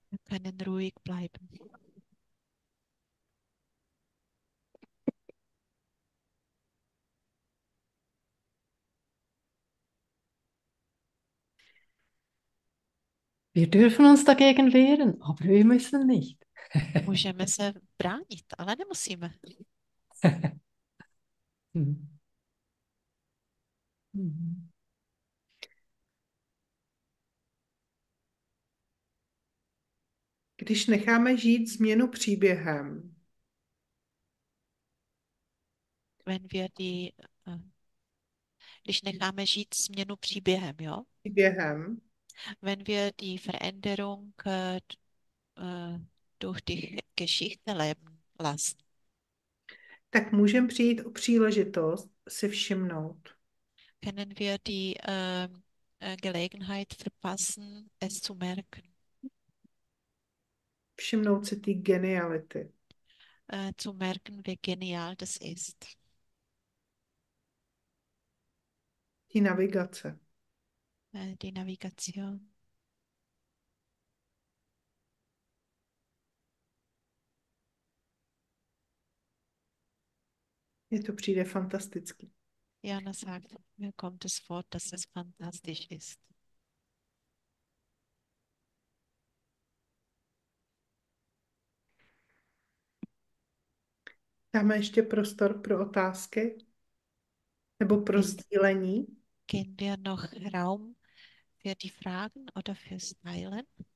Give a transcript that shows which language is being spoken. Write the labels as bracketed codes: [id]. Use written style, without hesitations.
[de] Können ruhig bleiben. Wir dürfen uns dagegen wehren, aber wir müssen nicht. [cs] Můžeme se bránit, ale nemusíme. Když necháme žít změnu příběhem, [de] Wenn wir die, [cs] když necháme žít změnu příběhem, jo? příběhem, [de] Wenn wir die Veränderung durch die Geschichte leben lassen. [cs] tak můžeme přijít o příležitost si všimnout. [de] Können wir die Gelegenheit verpassen, es zu merken? [cs] Všimnout si ty geniality. [de] Zu merken, wie genial das ist. [cs] Ty navigace. [de] Die Navigation. [cs] Mně to přijde fantasticky. [de] Jana sagt, mir kommt es vor, dass es fantastisch ist. [cs] Dáme ještě prostor pro otázky nebo pro sdílení. [de] Gehen wir noch Raum für die Fragen oder fürs Teilen?